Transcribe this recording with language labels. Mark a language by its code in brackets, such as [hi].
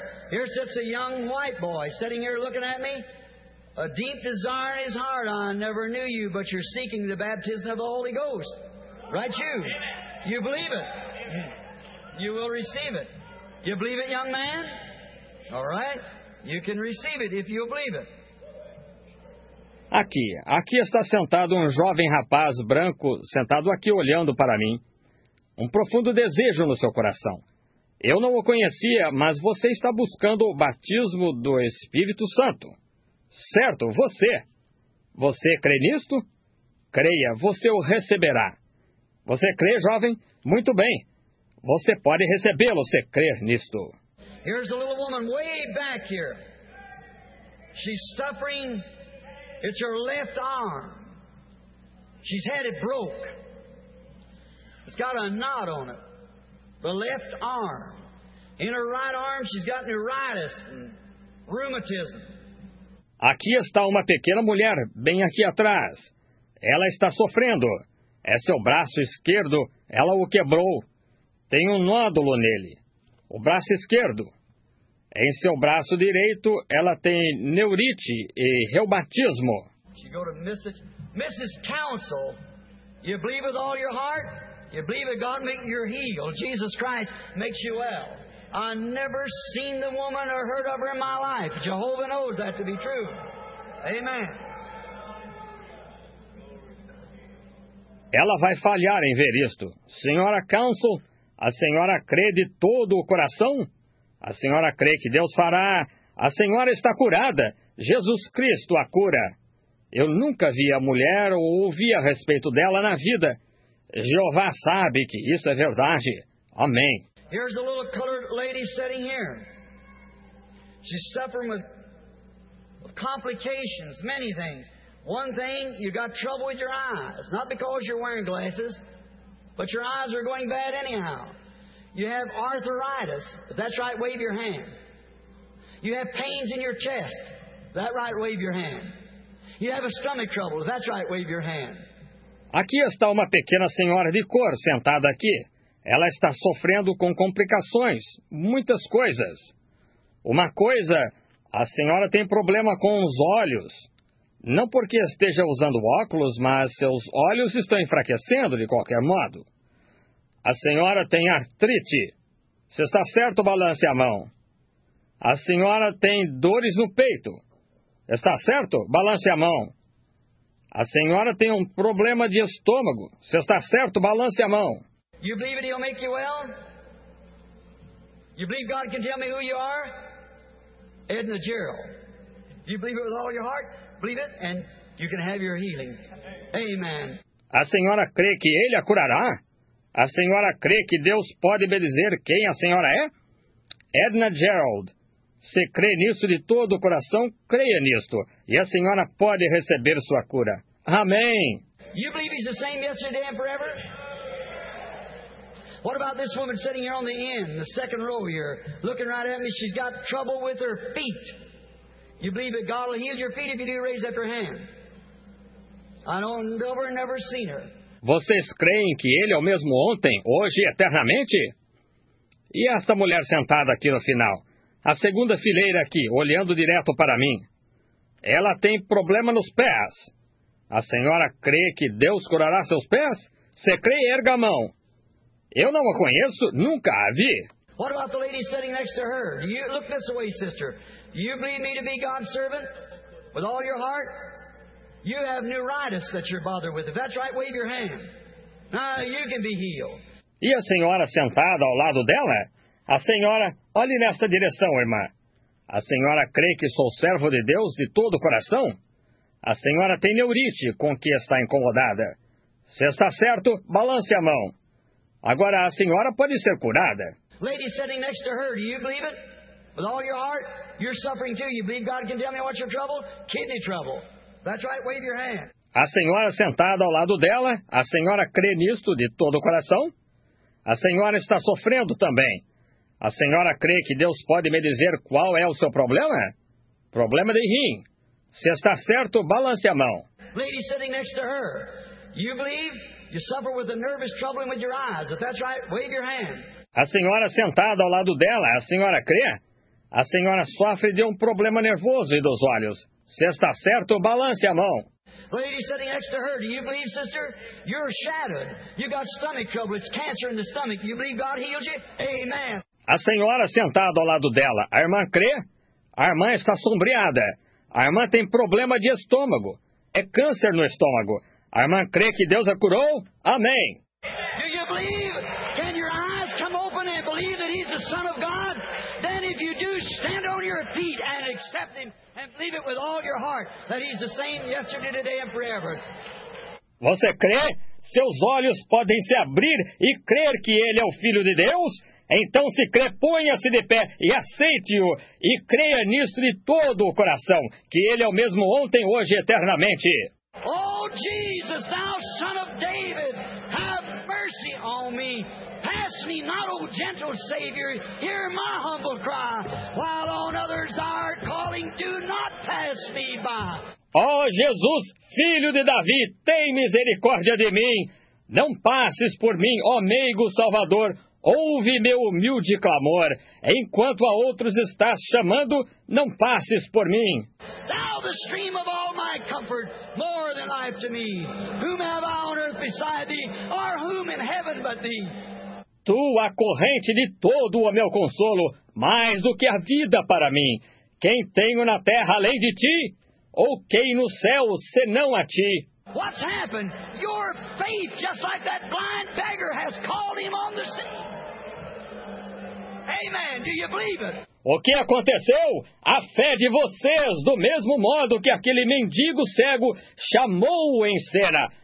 [en] Here sits a young white boy sitting here looking at me. A deep desire in his heart, I never knew you, but you're seeking the baptism of the Holy Ghost. Right, you? You believe it? You will receive it. You believe it, young man? All right. You can receive it if you believe it. [pt] Aqui está sentado um jovem rapaz branco, sentado aqui olhando para mim. Um profundo desejo no seu coração. Eu não o conhecia, mas você está buscando o batismo do Espírito Santo. Certo, você. Você crê nisto? Creia, você o receberá. Você crê, jovem? Muito bem. Você pode recebê-lo se crer nisto. [en] Here's a little woman way back here. She's suffering. It's her left arm. She's had it broke. It's got a knot on it. The left arm. In her right arm, she's got neuritis and rheumatism. [pt] Aqui está uma pequena mulher, bem aqui atrás. Ela está sofrendo. É seu braço esquerdo. Ela o quebrou. Tem um nódulo nele. O braço esquerdo. Em seu braço direito, ela tem neurite e reumatismo. [en] She go to Mrs. Council, you believe with all your heart? You believe that God makes you healed? Jesus Christ makes you well. I never seen the woman or heard of her in my life. Jehovah knows that to be true. Amen. [pt] Ela vai falhar em ver isto. Senhora Council, a senhora crê de todo o coração? A senhora crê que Deus fará? A senhora está curada. Jesus Cristo a cura. Eu nunca vi a mulher ou ouvi a respeito dela na vida. Jeová sabe que isso é verdade. Amém. [en] Here's a little colored lady sitting here. She's suffering with complications, many things. One thing, you got trouble with your eyes. Not because you're wearing glasses, but your eyes are going bad anyhow. You have arthritis. If that's right, wave your hand. You have pains in your chest. If that's right, wave your hand. You have a stomach trouble. If that's right, wave your hand. [pt] Aqui está uma pequena senhora de cor sentada aqui. Ela está sofrendo com complicações, muitas coisas. Uma coisa, a senhora tem problema com os olhos. Não porque esteja usando óculos, mas seus olhos estão enfraquecendo de qualquer modo. A senhora tem artrite. Se está certo, balance a mão. A senhora tem dores no peito. Está certo? Balance a mão. A senhora tem um problema de estômago. Se está certo, balance a mão. [en] You believe it, he'll make you well? You believe God can tell me who you are? Edna Gerald. You believe it with all your heart? Believe it, and you can have your healing. Amen. [pt] A senhora crê que ele a curará? A senhora crê que Deus pode bendizer quem a senhora é? Edna Gerald. Se crê nisso de todo o coração, creia nisto. E a senhora pode receber sua cura. [en] Amen. You believe he's the same yesterday and forever? What about this woman sitting here on the end, the second row here, looking right at me? She's got trouble with her feet. You believe that God will heal your feet if you do raise up your hand? I don't ever, never seen her. [pt] Vocês creem que ele é o mesmo ontem, hoje e eternamente? E esta mulher sentada aqui no final, a segunda fileira aqui, olhando direto para mim? Ela tem problema nos pés. A senhora crê que Deus curará seus pés? Você crê? Erga a mão. Eu não a conheço, nunca a vi. [en] What about the lady sitting next to her? Do you look this way, sister? Do you believe me to be God's servant with all your heart? You have neuritis that you're bothered with. If that's right, wave your hand. Now you can be healed. [pt] E a senhora sentada ao lado dela? A senhora, olhe nesta direção, irmã. A senhora crê que sou servo de Deus de todo o coração? A senhora tem neurite com que está incomodada. Se está certo, balance a mão. Agora a senhora pode ser curada. [en] Lady sitting next to her, do you believe it? With all your heart, you're suffering too. You believe God can tell me what's your trouble? Kidney trouble. That's right, wave your hand. [pt] A senhora sentada ao lado dela, a senhora crê nisto de todo o coração? A senhora está sofrendo também. A senhora crê que Deus pode me dizer qual é o seu problema? Problema de rim. Se está certo, balance a mão. [en] Lady sitting next to her, you believe you suffer with a nervous troubling with your eyes? If that's right, wave your hand. [pt] A senhora sentada ao lado dela, a senhora crê? A senhora sofre de um problema nervoso e dos olhos. Se está certo, balance a mão. [en] Lady sitting next to her, do you believe, sister? You're shattered. You got stomach trouble. It's cancer in the stomach. You believe God healed you? Amen. [pt] A senhora sentada ao lado dela, a irmã crê? A irmã está sombreada. A irmã tem problema de estômago. É câncer no estômago. A irmã crê que Deus a curou? Amém. [en] Do you believe? Can your eyes come open and believe that he's the Son of God? Then if you do, stand on your feet and accept him and believe it with all your heart that he's the same yesterday, today and forever. [pt] Você crê? Seus olhos podem se abrir e crer que ele é o Filho de Deus? Então se crê, ponha-se de pé e aceite-o e creia nisto de todo o coração, que ele é o mesmo ontem, hoje e eternamente. [en] Oh, Jesus, thou son of David, have mercy on me. Pass me not, O gentle Savior, hear my humble cry. While on others thou art calling, do not pass me by. [pt] Oh, Jesus, filho de Davi, tem misericórdia de mim. Não passes por mim, ó meigo Salvador. Ouve meu humilde clamor. Enquanto a outros estás chamando, não passes por mim. [en] Thou the stream of all my comfort, more than life to me. Whom have I on earth beside thee, or whom in heaven but thee? [pt] Tu a corrente de todo o meu consolo, mais do que a vida para mim. Quem tenho na terra além de ti? Ou quem no céu senão a ti? [en] What's happened? Your faith, just like that blind beggar, has called him on the scene. Amen. Do you believe it? [pt] O que aconteceu? A fé de vocês, do mesmo modo que aquele mendigo cego chamou-o em cena.